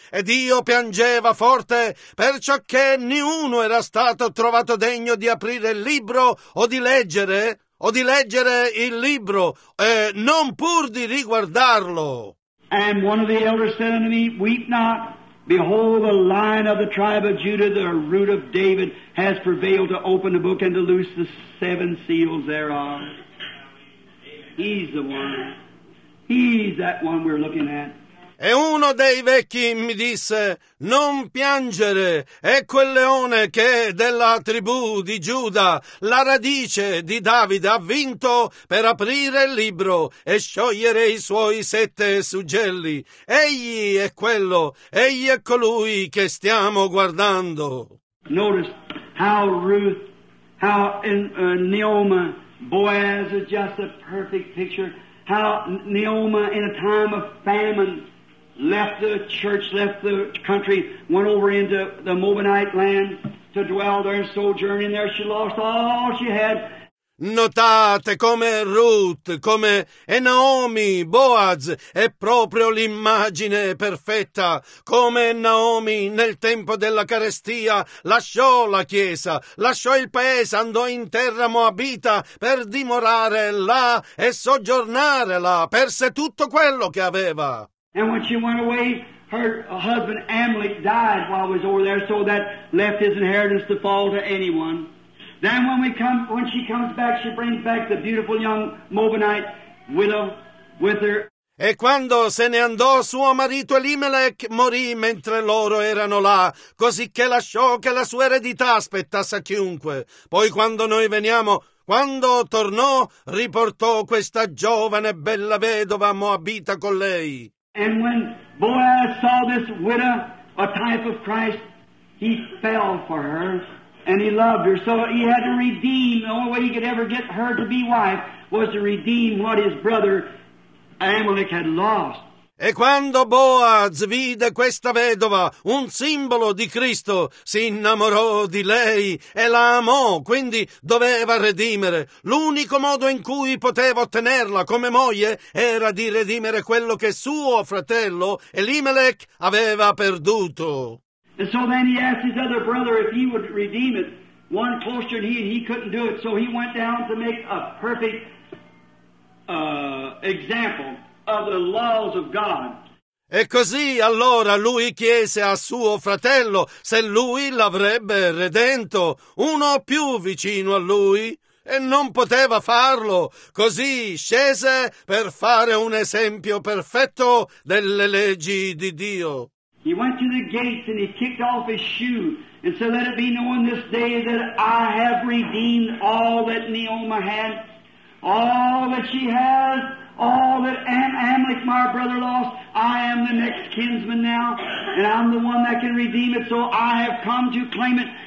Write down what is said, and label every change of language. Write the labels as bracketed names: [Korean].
[Italian] Ed io piangeva forte, perciò che niuno era stato trovato degno di aprire il libro o di leggere il libro, non pur di riguardarlo. [English] And one of the elders said unto me, weep not. Behold, the Lion of the tribe of Judah, the Root of David, has prevailed to open the book and to loose the seven seals thereof. He's the one. He's that one we're looking at. [Italian] E uno dei vecchi mi disse, non piangere, è quel leone che della tribù di Giuda, la radice di Davide, ha vinto per aprire il libro e sciogliere i suoi sette suggelli. Egli è quello, egli è colui che stiamo guardando. [English] Notice how Ruth, how Naomi, Boaz is just a perfect picture, how Naomi in a time of famine, left the church, left the country, went over into the Moabite land to dwell there and sojourn in there. She lost all she had. [Italian] Notate come Ruth, come Naomi, Boaz è proprio l'immagine perfetta, come Naomi nel tempo della carestia lasciò la chiesa, lasciò il paese, andò in terra moabita per dimorare là e soggiornare là, perse tutto quello che aveva. [English] And when she went away, her husband Amalek died while he was over there, so that left his inheritance to fall to anyone. Then when she comes back, she brings back the beautiful young Moabite widow with her. [Italian] E quando se ne andò, suo marito Elimelech morì mentre loro erano là, cosicché lasciò che la sua eredità aspettasse a chiunque. Poi quando noi veniamo, quando tornò, riportò questa giovane bella vedova moabita con lei. [English] And when Boaz saw this widow, a type of Christ, he fell for her, and he loved her. So he had to redeem. The only way he could ever get her to be wife was to redeem what his brother Amalek had lost. [Italian] E quando Boaz vide questa vedova, un simbolo di Cristo, si innamorò di lei e la amò, quindi doveva redimere. L'unico modo in cui poteva ottenerla come moglie era di redimere quello che suo fratello Elimelech aveva perduto. [English] And so then he asked his other brother if he would redeem it. One closer than he, and he couldn't do it. So he went down to make a perfect example of the laws of God. [Italian] E così allora lui chiese a suo fratello se lui l'avrebbe redento, uno più vicino a lui, e non poteva farlo. Così scese per fare un esempio perfetto delle leggi di Dio. [English] He went to the gates and he kicked off his shoe and said, let it be known this day that I have redeemed all that Naomi had, all that she has, all that Amalek, my brother, lost. I am the next kinsman now, and I'm the one that can redeem it, so I have come to claim it.